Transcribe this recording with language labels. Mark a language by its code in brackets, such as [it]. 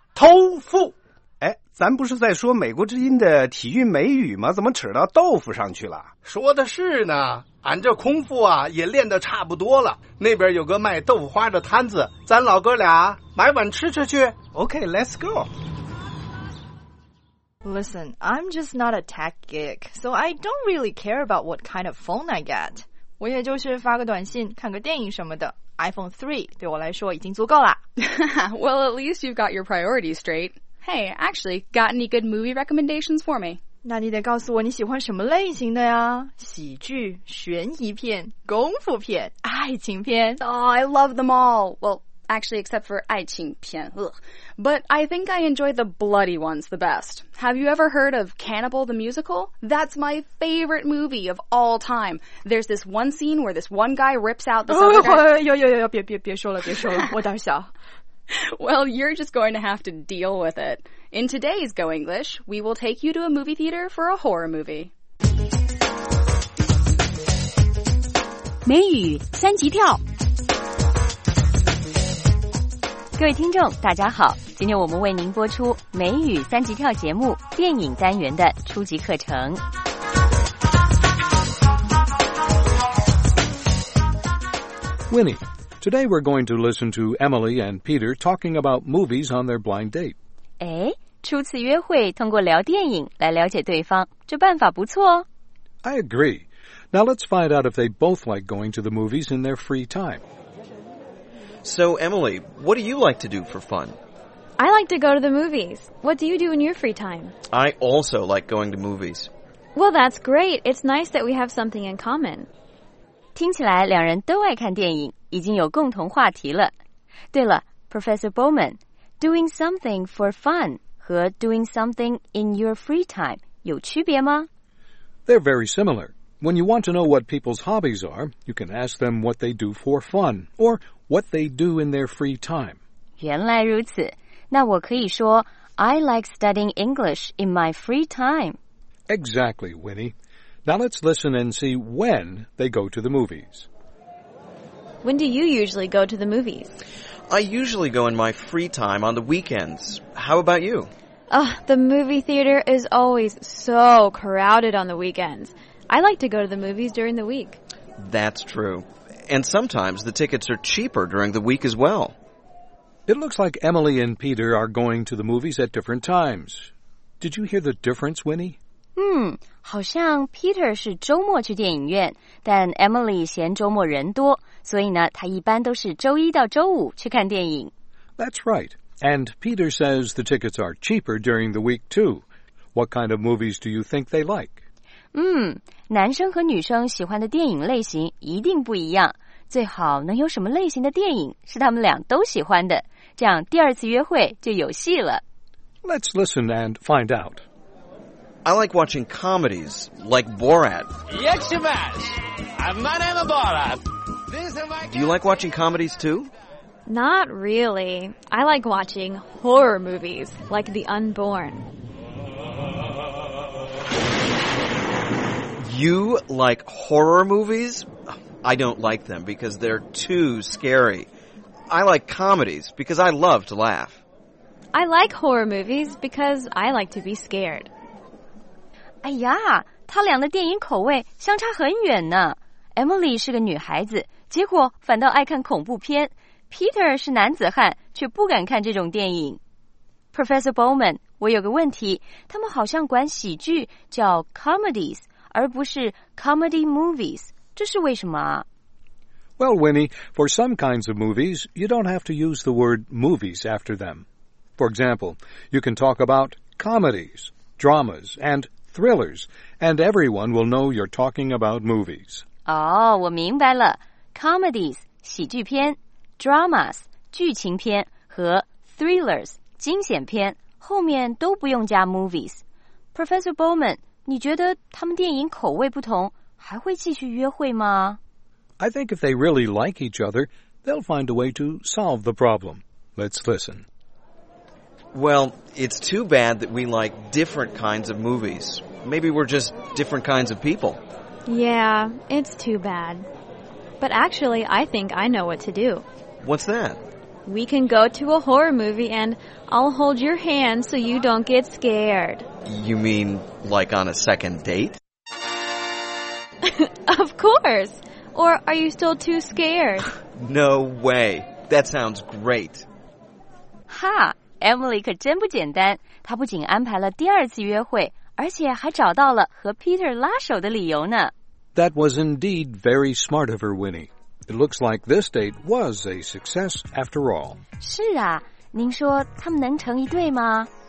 [zh] 豆腐。哎，咱不是在说美国之音的体育美语吗？怎么扯到豆腐上去了？说的是呢，俺这空腹啊也练得差不多了。那边有个卖豆腐花的摊子，咱老哥俩买碗吃吃去。 [en] OK，let's、okay, go。 Listen， I'm just not a tech geek， so I don't really care about what kind of phone I get。 [zh] 我也就是发个短信看个电影什么的 iPhone 3对我来说已经足够了 [en] Well, at least you've got your priorities straight. Hey, actually, got any good movie recommendations for me? [zh] 那你得告诉我你喜欢什么类型的呀喜剧、悬疑片、功夫片、爱情片 [en] Oh, I love them all. Well, Actually, except for 爱情片, ugh. But I think I enjoy the bloody ones the best. Have you ever heard of Cannibal the Musical? That's my favorite movie of all time. There's this one scene where this one guy rips out this other guy. [zh] 别说了，别说了，我胆小。 [en] Well, you're just going to have to deal with it. In today's Go English, we will take you to a movie theater for a horror movie. [zh] 美语三级跳。各位听众，大家好，今天我们为您播出美语三级跳节目电影单元的初级课程。 [en] Winnie,Today we're going to listen to Emily and Peter talking about movies on their blind date. [zh] 哎，初次约会通过聊电影来了解对方，这办法不错哦。 [en] I agree. Now let's find out if they both like going to the movies in their free time. So, Emily, what do you like to do for fun? I like to go to the movies. What do you do in your free time? I also like going to movies. Well, that's great. It's nice that we have something in common. [zh] 听起来两人都爱看电影，已经有共同话题了。对了 [en] ，Professor Bowman, doing something for fun 和 doing something in your free time [zh] 有区别吗 [en] ？They're very similar. When you want to know what people's hobbies are, you can ask them what they do for fun or what they do in their free time. [zh] 原来如此，那我可以说 [en] I like studying English in my free time. Exactly, Winnie. Now let's listen and see when they go to the movies. When do you usually go to the movies? I usually go in my free time on the weekends. How about you? Oh, the movie theater is always so crowded on the weekends. I like to go to the movies during the week. That's true. And sometimes the tickets are cheaper during the week as well. It looks like Emily and Peter are going to the movies at different times. Did you hear the difference, Winnie? [zh] 好像 Peter 是周末去电影院，但 Emily 嫌周末人多，所以呢，他一般都是周一到周五去看电影。 [en] That's right. And Peter says the tickets are cheaper during the week, too. What kind of movies do you think they like? [zh] 男生和女生喜欢的电影类型一定不一样，最好能有什么类型的电影是他们俩都喜欢的，这样第二次约会就有戏了。 [en] Let's listen and find out. I like watching comedies, like Borat. Yakshamash! My name is Borat. Do you like watching comedies too? Not really. I like watching horror movies, like The Unborn. You like horror movies? I don't like them because they're too scary. I like comedies because I love to laugh. I like horror movies because I like to be scared. [zh] 哎呀，他俩的电影口味相差很远呢。 Emily 是个女孩子，结果反倒爱看恐怖片。 Peter 是男子汉，却不敢看这种电影。Professor Bowman, 我有个问题，他们好像管喜剧叫 comedies, 而不是 comedy movies, 这是为什么啊？ [en] Well, Winnie, for some kinds of movies, you don't have to use the word movies after them. For example, you can talk about comedies, dramas, andthrillers, and everyone will know you're talking about movies. [zh] Oh, 我明白了。 Comedies, 喜剧片, dramas, 剧情片和 thrillers, 惊险片后面都不用加 movies. Professor Bowman, 你觉得他们电影口味不同还会继续约会吗? [en] I think if they really like each other, they'll find a way to solve the problem. Let's listen. Well, it's too bad that we like different kinds of movies. Maybe we're just different kinds of people. Yeah, it's too bad. But actually, I think I know what to do. What's that? We can go to a horror movie and I'll hold your hand so you don't get scared. You mean like on a second date? Of course! Or are you still too scared? No way. That sounds great. Ha! [zh] Emily 可真不简单，她不仅安排了第二次约会，而且还找到了和 Peter 拉手的理由呢。 [en] That was indeed very smart of her, Winnie. It looks like this date was a success after all. [zh] 是啊，您说他们能成一对吗？